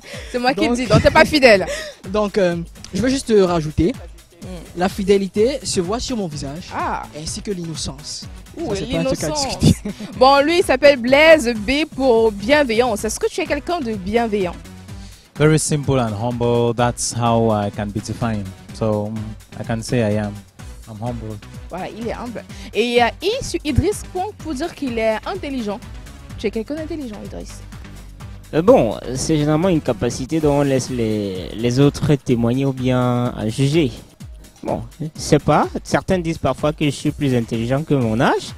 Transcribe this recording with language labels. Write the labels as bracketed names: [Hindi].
[French] C'est moi qui le dis, donc tu n'es pas fidèle. Donc, je veux juste rajouter, la fidélité se voit sur mon visage, ainsi que l'innocence. Ouh, ça, c'est l'innocence. Pas un truc à discuter. Bon, lui, il s'appelle Blaise B pour bienveillance. Est-ce que tu es quelqu'un de bienveillant? [English] Very simple and humble, that's how I can be defined. So, I can say I am. I'm humble. [French] Voilà, il est humble. Et il y a Idriss Pong pour dire qu'il est intelligent. Tu es quelqu'un d'intelligent, Idriss? Bon, c'est généralement une capacité dont on laisse les autres témoigner ou bien juger. Bon, je sais pas. Certains disent parfois que je suis plus intelligent que mon âge.